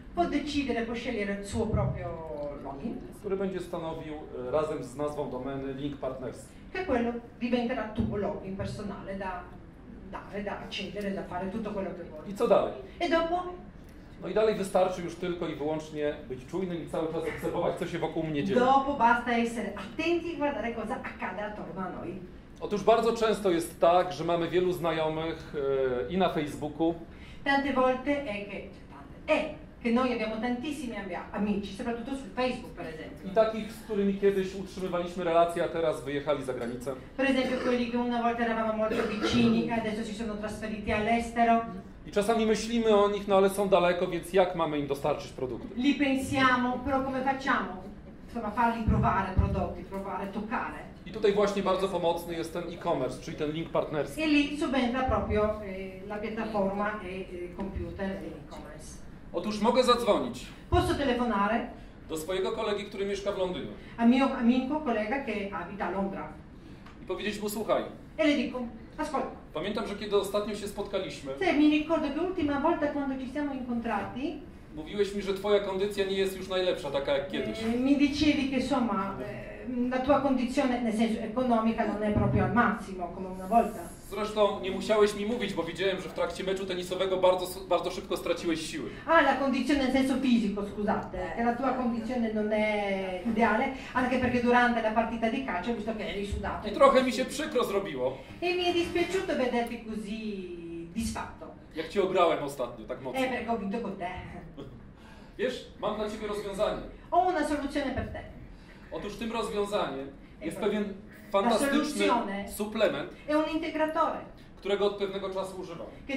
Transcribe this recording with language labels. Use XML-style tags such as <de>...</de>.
<it>Può decidere, può scegliere il suo proprio login.</it> <pl>Który będzie stanowił razem z nazwą domeny link partnerski.</pl> <it>Che quello diventerà tuo login personale da dare, da accedere, da fare tutto quello che vuoi.</it> <pl>I co dalej?</pl> <it>E dopo?</it> <pl>No i dalej wystarczy już tylko i wyłącznie być czujnym i cały czas obserwować, co się wokół mnie dzieje.</pl> <it>Dopo basta essere attenti e guardare cosa accade attorno a noi.</it> <pl>Otóż bardzo często jest tak, że mamy wielu znajomych i na Facebooku.</pl> <it>Tante volte è che noi abbiamo tantissimi amici, soprattutto su Facebook, per esempio.</it> <pl>I takich, z którymi kiedyś utrzymywaliśmy relacje, a teraz wyjechali za granicę.</pl> <it>Per esempio quelli che una volta eravamo molto vicini, adesso si sono trasferiti all'estero.</it> <pl>I czasami myślimy o nich, no ale są daleko, więc jak mamy im dostarczyć produkty?</pl> <it>Li pensiamo, però come facciamo? Insomma, farli provare prodotti, provare, toccare.</it> <pl>I tutaj właśnie bardzo pomocny jest ten e-commerce, czyli ten link partnerski.</pl> <it>E lì subentra proprio la piattaforma e computer e e-commerce.</it> <pl>Otóż mogę zadzwonić.</pl> <it>Posso telefonare?</it> <pl>Do swojego kolegi, który mieszka w Londynie.</pl> <it>A mio amico collega che abita a Londra.</it> <pl>I powiedzieć mu słuchaj.</pl> <it>E le dico, ascolta.</it> <pl>Pamiętam, że kiedy ostatnio się spotkaliśmy.</pl> <it>Se, mi ricordo che l'ultima volta quando ci siamo incontrati.</it> <pl>Mówiłeś mi, że twoja kondycja nie jest już najlepsza, taka jak kiedyś.</pl> <it>Mi dicevi che insomma. La tua condizione nel senso economica non è proprio al massimo come una volta.</it> <pl>Zresztą nie musiałeś mi mówić, bo widziałem, że w trakcie meczu tenisowego bardzo, bardzo szybko straciłeś siły.</pl> <it>Ah, la condizione nel senso fisico, scusate. Che la tua condizione non è ideale, anche perché durante la partita di calcio ho visto che eri sudato.</it> <pl>I trochę mi się przykro zrobiło.</pl> <it>E mi è dispiaciuto vederti così disfatto.</it> <pl>Jak ci obrałem ostatnio tak mocno.</pl> <it>Perché ho vinto con te.</it> <pl>Wiesz, mam dla ciebie rozwiązanie.</pl> <it>Ho una soluzione per te.</it> <pl>Otóż tym rozwiązaniem jest pewien fantastyczny suplement, którego od pewnego czasu używam.</pl>